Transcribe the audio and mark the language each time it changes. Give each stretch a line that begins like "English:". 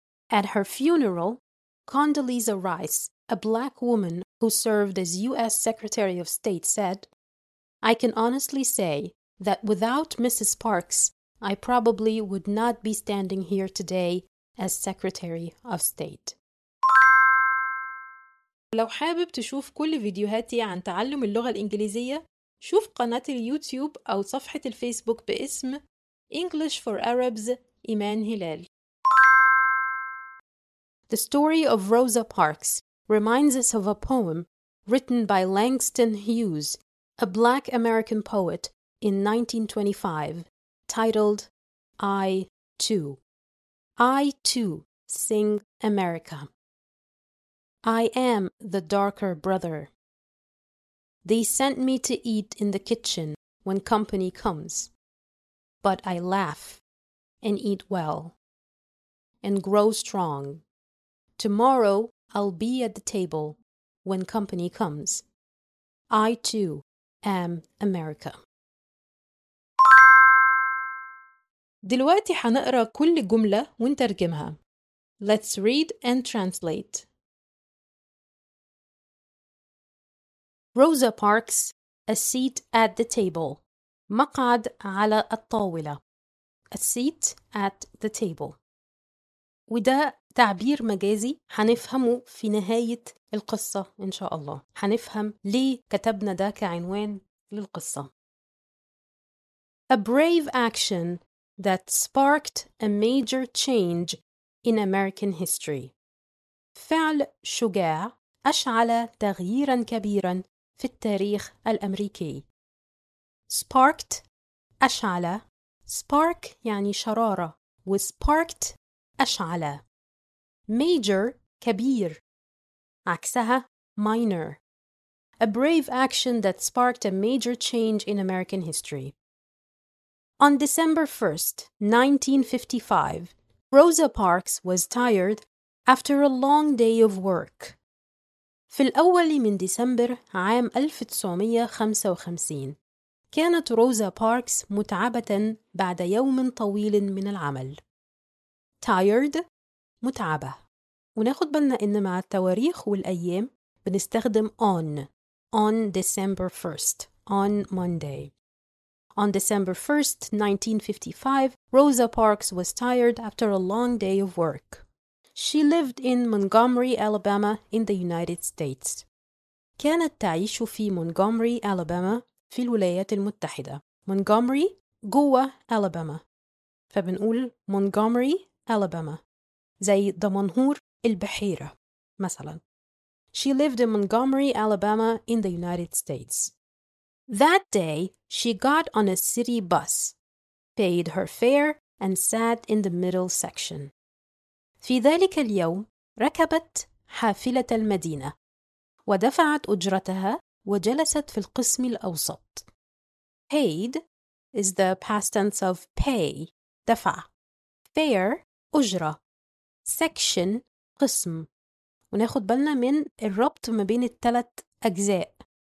English: At her funeral, Condoleezza Rice, a black woman who served as U.S. Secretary of State, said, "I can honestly say that without Mrs. Parks, I probably would not be standing here today as Secretary of State."
Arabic: لو حابب تشوف كل فيديوهاتي عن تعلم اللغة الإنجليزية، شوف قناة اليوتيوب أو صفحة الفيسبوك باسم English for Arabs إيمان هلال.
English: The story of Rosa Parks reminds us of a poem written by Langston Hughes, a black American poet, in 1925, titled I Too. I too sing America. I am the darker brother. They sent me to eat in the kitchen when company comes. But I laugh and eat well and grow strong. Tomorrow I'll be at the table when company comes. I too am America.
Arabic: دلوقتي حنقرأ كل جملة ونترجمها.
English: Let's read and translate. Rosa Parks, a seat at the table.
Arabic: مقعد على الطاولة.
English: A seat at the table.
Arabic: وده تعبير مجازي هنفهمه في نهاية القصة إن شاء الله. هنفهم ليه كتبنا ده كعنوان للقصة.
English: A brave action that sparked a major change in American history.
Arabic: فعل شجاع أشعل تغييراً كبيراً في التاريخ الأمريكي.
English: Sparked أشعل.
Arabic: Spark يعني شرارة. وsparked أشعل.
English: Major كبير.
Arabic: عكسها minor.
English: A brave action that sparked a major change in American history. On December 1st, 1955, Rosa Parks was tired after a long day of work.
Arabic: في الأول من ديسمبر عام 1955 كانت روزا باركس متعبة بعد يوم طويل من العمل.
English: Tired
Arabic: متعبة. وناخد بالنا إن مع التواريخ والأيام بنستخدم on
English: December 1st, on Monday. On December 1st, 1955, Rosa Parks was tired after a long day of work. She lived in Montgomery, Alabama, in the United States.
Arabic: كانت تعيش في Montgomery, Alabama, في الولايات المتحدة. Montgomery, جوه Alabama. فبنقول Montgomery, Alabama. زي دمنهور البحيرة, مثلا.
English: She lived in Montgomery, Alabama, in the United States. That day, she got on a city bus, paid her fare, and sat in the middle section.
Arabic: في ذلك اليوم ركبت حافلة المدينة ودفعت أجرتها وجلست في القسم الأوسط.
English: Paid is the past tense of pay, دفع. Fare, أجرة. Section, قسم.
Arabic: وناخد بالنا من الربط ما بين الثلاث أجزاء.